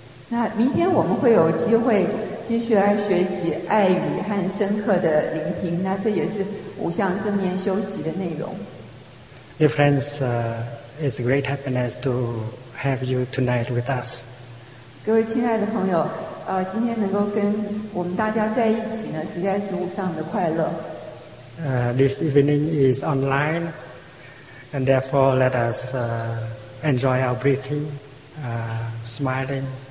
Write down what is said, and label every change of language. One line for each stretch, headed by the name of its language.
Chinese: 那明天我们会有机会继续来学习爱语和深刻的聆听。那这也是五项正念修习的内容。
English: Dear friends, it's a great happiness to have you tonight with us.
Chinese: 各位亲爱的朋友，今天能够跟我们大家在一起呢，实在是无上的快乐。
English: This evening is online, and therefore let us enjoy our breathing, smiling.